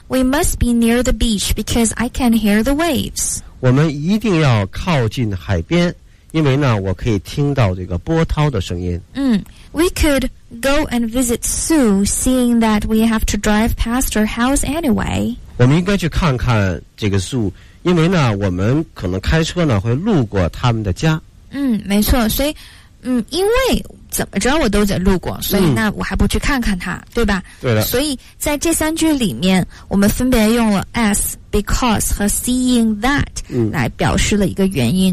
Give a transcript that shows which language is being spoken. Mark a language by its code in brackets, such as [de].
[en] We must be near the beach because I can hear the waves。 [zh] 我们一定要靠近海边，因为呢我可以听到这个波涛的声音。 [en] 嗯， We could go and visit Sue seeing that we have to drive past her house anyway。 [zh] 我们应该去看看这个 Sue，因为呢我们可能开车呢会路过他们的家。嗯，没错。所以嗯，因为怎么着我都得路过，所以那我还不去看看他。嗯，对吧？对的。所以在这三句里面我们分别用了 as、 because 和 seeing that 来表示了一个原因。